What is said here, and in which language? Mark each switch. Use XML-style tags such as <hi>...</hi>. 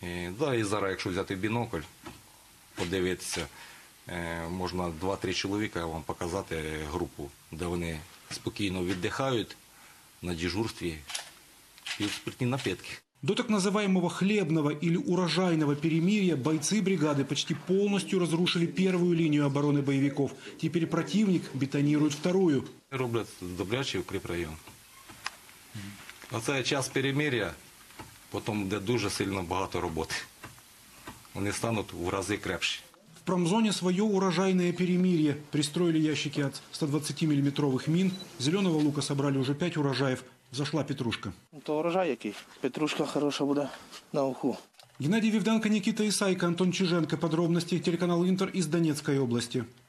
<uk>Да, і зараз, якщо взяти бінокль, подивитися, можна 2-3 чоловіка вам показати групу, де вони спокійно віддихають на дежурстві, п'ють спиртні напитки.</uk> <ru>До так называемого хлебного или урожайного перемирия бойцы бригады почти полностью разрушили первую линию обороны боевиков. Теперь противник бетонирует вторую.</ru> <uk>Роблят добрячий укрепрайон. А це час перемирия,</uk> <ru>потом</ru> <uk>де дуже сильно багато роботи. Вони стануть в рази крепші.</uk> <ru>В промзоне свое урожайное перемирие. Пристроили ящики от 120-мм мин. Зеленого лука собрали уже 5 урожаев. Зашла петрушка.</ru> <uk>То урожай який. Петрушка хороша буде на уху.</uk> <ru>Геннадий Вивданко, Никита Исайко, Антон Чиженко. Подробности телеканал Интер из Донецкой области.</ru>